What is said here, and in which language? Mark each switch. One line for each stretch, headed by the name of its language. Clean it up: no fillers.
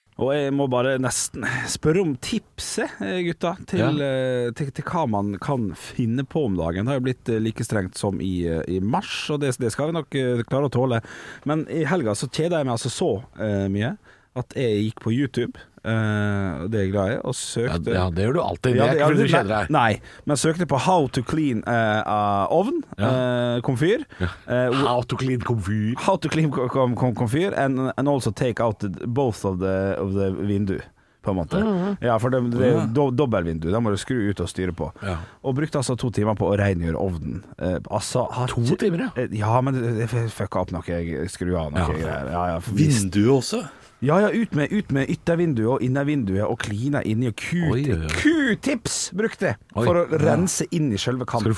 Norwegian: Og jeg må bare nesten spørre om tipset, gutta, til hva man kan finne på om dagen. Det har jo blitt like strengt som i mars, og det skal vi nok klare å tåle. Men i helga så kjeder jeg meg altså så mye at jeg gikk på YouTube. Det er jeg glad i. Og søkte. Ja, det gjør du alltid. Det er ikke fordi du kjeder deg. Nei, men søkte på
English: how to clean oven,
Norwegian: komfyr.
English: How to clean komfyr. How to clean komfyr and also take out both of the window.
Norwegian: På en måte. Ja, for det er dobbeltvindu. Da må du skru ut og styre på. Ja. Og brukte altså 2 timer på å rengjøre ovnen. Altså, to timer, ja? Ja, men fucka opp noe. Skru av noe greier. Ja. Vindu også? Ja, ja, ut med yttervinduet og innervinduet og klina inn i og Q-tips brukte jeg for å rense inn i selve kanten.